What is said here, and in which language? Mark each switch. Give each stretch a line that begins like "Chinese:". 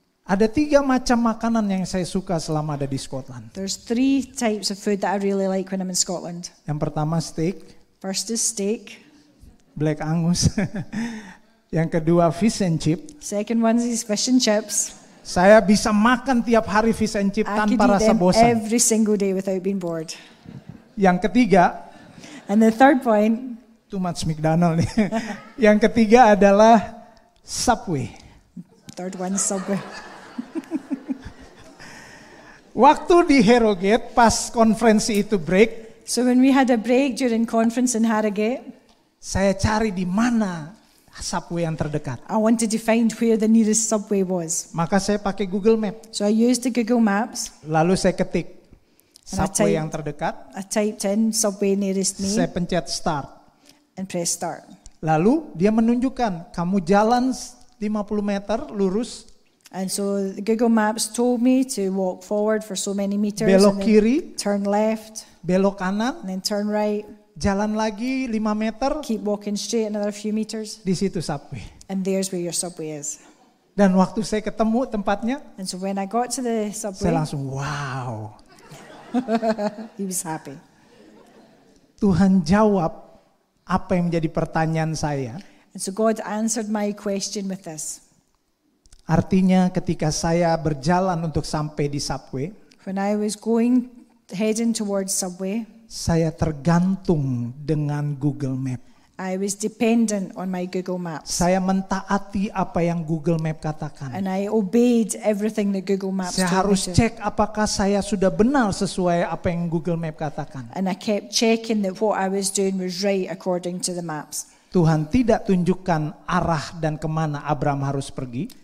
Indonesian: Ada tiga macam makanan yang saya suka selama ada di Scotland.
English: There's three types of food that I really like when I'm in Scotland.
Indonesian: Yang pertama steak.
English: First is steak.
Indonesian: Black Angus. Yang kedua fish and chip.
English: Second one is fish and chips.
Indonesian: Saya bisa makan tiap hari fish and chip
English: I
Indonesian: tanpa rasa bosan.
English: Every single day without being bored.
Indonesian: Yang ketiga.
English: And the third point. Too much McDonald's nih.
Indonesian: Yang ketiga adalah Subway.
English: Third one Subway.
Indonesian: Waktu di Harrogate pas konferensi itu break.
English: So when we had a break during conference in Harrogate,
Indonesian: saya cari di mana Subway yang terdekat.
English: I wanted to find where the nearest Subway was.
Indonesian: Maka saya pakai Google Maps.
English: So I used the Google Maps.
Indonesian: Lalu saya ketik Subway yang terdekat.
English: I typed in Subway nearest me.
Indonesian: Saya pencet start.
English: And press start.
Indonesian: Lalu dia menunjukkan kamu jalan 50 meter lurus.
English: And so the Google Maps told me to walk forward for so many meters.
Indonesian: Belok kiri.
English: Turn left.
Indonesian: Belok kanan.
English: And then turn right.
Indonesian: Jalan lagi 5 meter.
English: Keep walking straight another few meters.
Indonesian: Di situ subway.
English: And there's where your subway is.
Indonesian: Dan waktu saya ketemu tempatnya.
English: And so when I got to the subway.
Indonesian: Saya langsung wow.
English: He was happy.
Indonesian: Tuhan jawab apa yang menjadi pertanyaan saya.
English: And so God answered my question with this.
Indonesian: Artinya ketika saya berjalan untuk sampai di subway,
English: when I was going heading towards subway,
Indonesian: saya tergantung dengan Google Map.
English: I was dependent on my Google Map.
Indonesian: Saya mentaati apa yang Google Map katakan.
English: And I obeyed everything that Google Maps told me.
Indonesian: Saya harus cek apakah saya sudah benar sesuai apa yang Google Map katakan.
English: And I kept checking that what I was doing was right according to the maps.
Indonesian: Tuhan tidak tunjukkan arah dan kemana Abraham harus pergi.